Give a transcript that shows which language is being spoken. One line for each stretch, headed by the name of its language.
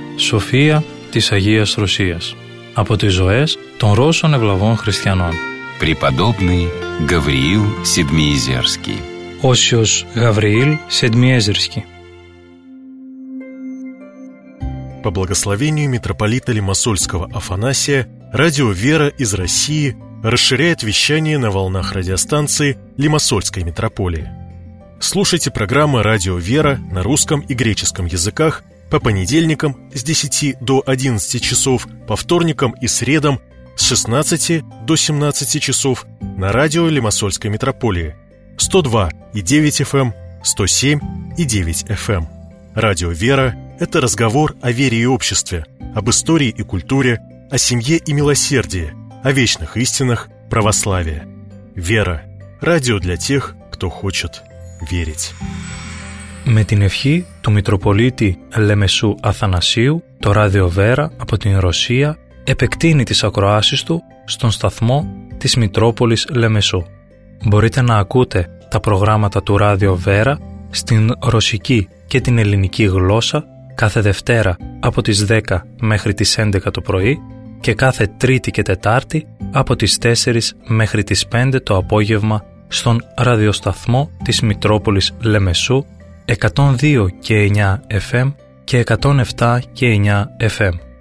Greek: Σοφία της Αγίας Ρωσίας από τις ζωές των Ρώσων ευλαβών χριστιανών.
Russian: Преподобный Гавриил Седмиезерский.
Greek: Όσιος Γαβριήλ Σεντμιέζερσκι.
Russian: По благословению митрополита Лимассольского Афанасия, радио «Вера» из России расширяет вещание на волнах радиостанции Лимассольской митрополии. Слушайте программы «Радио Вера» на русском и греческом языках по понедельникам с 10 до 11 часов, по вторникам и средам с 16 до 17 часов на радио Лимассольской митрополии 102,9 FM, 107,9 FM. «Радио Вера» — это разговор о вере и обществе, об истории и культуре, о семье и милосердии, о вечных истинах православия. «Вера» — радио для тех, кто хочет верить.
Greek: Με την ευχή του Μητροπολίτη Λεμεσού Αθανασίου, το Ράδιο Βέρα από την Ρωσία επεκτείνει τις ακροάσεις του στον σταθμό της Μητρόπολης Λεμεσού. Μπορείτε να ακούτε τα προγράμματα του Ράδιο Βέρα στην ρωσική και την ελληνική γλώσσα κάθε Δευτέρα από τις 10 μέχρι τις 11 το πρωί και κάθε Τρίτη και Τετάρτη από τις 4 μέχρι τις 5 το απόγευμα στον ραδιοσταθμό της Μητρόπολης Λεμεσού 102 και 9 FM και 107 και 9 FM.